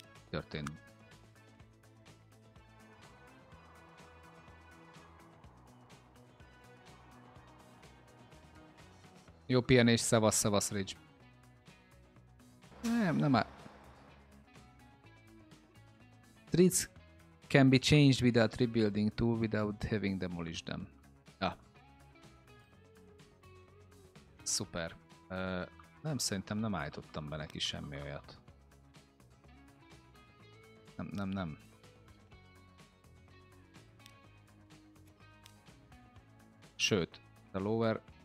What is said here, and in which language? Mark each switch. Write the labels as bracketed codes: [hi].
[hu] Történt. Jó pihenés, szevasz, Ridge. Nem, nem áll. [en] streets can be changed without rebuilding too, without having demolished them. [hu] Ja. Szuper. Nem, szerintem nem állítottam be neki semmi olyat. Nem. Sőt, a lower...